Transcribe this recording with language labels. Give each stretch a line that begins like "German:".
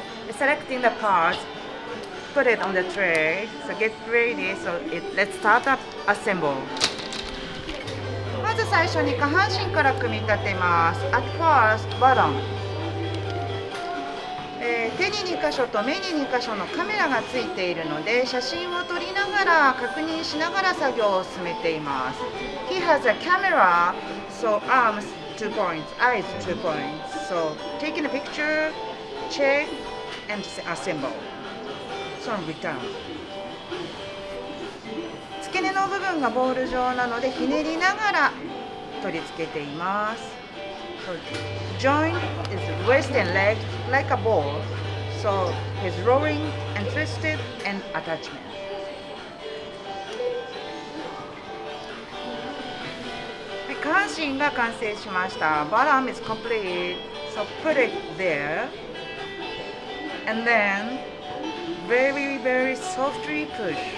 English: Selecting the parts, put it on the tray. So get ready. So it, let's start up assemble.
Japanese: まず最初に下半身から組み立てます。
English: At first, bottom.
Japanese: 手に2箇所と目に2箇所のカメラがついているので写真を撮りながら確認しながら作業を進めています。
English: He has a camera, so arms 2 points, eyes 2 points. So taking a picture, check, and assemble. So return.
Japanese: 付け根の部分がボール状なのでひねりながら取り付けています。
English: Joint is wrist and leg like a ball, so he's rolling and twisted and attachment.
Japanese: はい、下半身が完成しました。
English: Bottom is complete, so put it there. And then, very, very softly push.